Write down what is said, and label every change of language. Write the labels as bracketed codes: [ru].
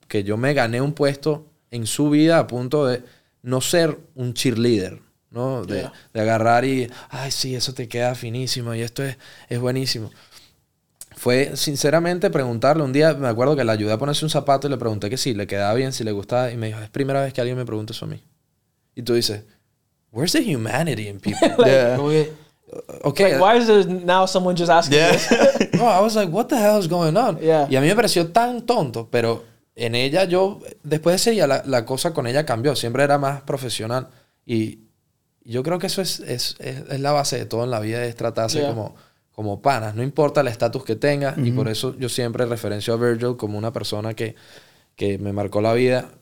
[es] Que yo me gané un puesto en su vida a punto de no ser un cheerleader, ¿no? De, yeah. de agarrar y, ay, sí, eso te queda finísimo y esto es buenísimo. Fue, sinceramente, preguntarle. Un día me acuerdo que le ayudé a ponerse un zapato y le pregunté que sí, le quedaba bien, si le gustaba. Y me dijo, es primera vez que alguien me pregunta eso a mí. Y tú dices, [en] where's the humanity in people? Like, yeah. Okay. Like, why is there now someone just asking yeah. this? No, I was like, what the hell is going on? Yeah. [es] Y a mí me pareció tan tonto, pero en ella yo, después de ese día, la cosa con ella cambió. Siempre era más profesional. Y yo creo que eso es la base de todo en la vida, es tratarse yeah. como panas. No importa el estatus que tenga. Mm-hmm. Y por eso yo siempre referencio a Virgil como una persona que me marcó la vida.